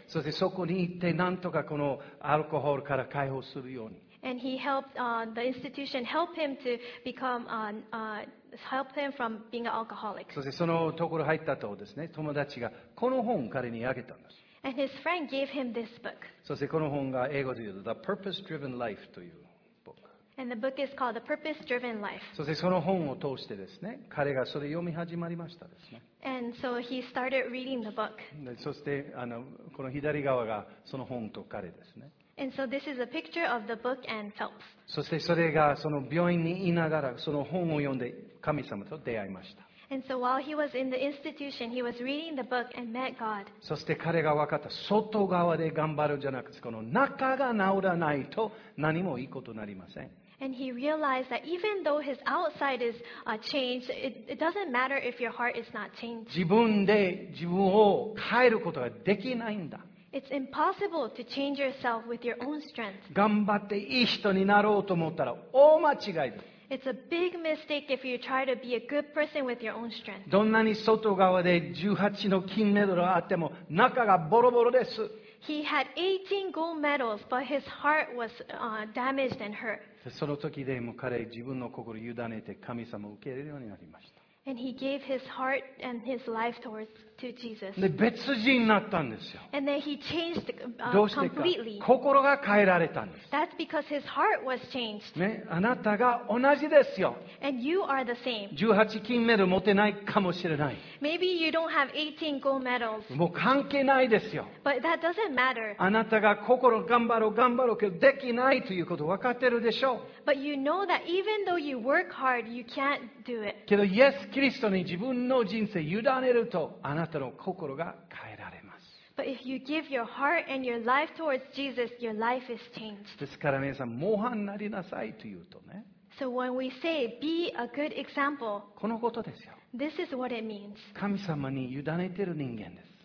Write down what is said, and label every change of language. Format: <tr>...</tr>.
<ja>そしてそこに行ってなんとかこのアルコールから解放するように。</ja> <en>And he helped the institution help him to become help him from being an alcoholic.</en> <ja>そしてそのところ入ったとですね、友達がこの本を彼にあげたんです。</ja> <en>And his friend gave him this book.</en> <ja>そしてこの本が英語で言うと The Purpose Driven Life という book。</ja> <en>And the book is called The Purpose Driven Life.</en> <ja>そしてその本を通してですね、彼がそれを読み始まりましたですね。</ja> <en>And so he started reading the book.</en> <ja>そしてこの左側がその本と彼ですね。</ja> <en>And so this is a picture of the book and Phelps.</en> <ja>そしてそれがその病院にいながらその本を読んで神様と出会いました。</ja> <en>And so while he was in the institution, he was reading the book and met God.</en> <ja>そして彼が分かった、外側で頑張るじゃなくて、この中が治らないと何もいいことになりません。</ja> <en>And he realized that even though his outside is changed, it doesn't matter if your heart is not changed.</en> <ja>自分で自分を変えることができないんだ。</ja> <en>It's impossible to change yourself with your own strength.</en> <ja>頑張っていい人になろうと思ったら大間違いだ。</ja> <en>It's a big mistake if you try to be a good person with your own strength.</en> <ja>どんなに外側で18の金メダルがあっても中がボロボロです。</ja> <en>He had 18 gold medals, but his heart was damaged and hurt.</en> <ja>その時でも彼自分の心を委ねて神様を受け入れるようになりました。</ja> <en>And he gave his heart and his life towards to Jesus.</en> <ja>で別人になったんですよ。</ja> <en>And then he changed completely.</en> <ja>心が変えられたんです。</ja> <en>That's because his heart was changed.</en> <ja>ね、あなたが同じですよ。</ja> <en>And you are the same.</en> <ja>18金メダル持てないかもしれない。</ja> <en>Maybe you don't have 18 gold medals.</en> <ja>もう関係ないですよ。</ja> <en>But that doesn't matter.</en> <ja>あなたが心頑張ろう頑張ろうけどできないということ分かってるでしょう。</ja> <en>But you know that even though you work hard, you can't do it.</en> <ja>けどイエスキリストに自分の人生委ねるとあなたの心が変えられます。</ja> <en>But if you give your heart and your life towards Jesus, your life is changed.</en> <ja>ですから皆さん模範になりなさいというとね。</ja> <en>So when we say be a good example,</en> <ja>このことですよ。</ja> <en>This is what it means.</en> <ja>神様に委ねている人間です。</ja>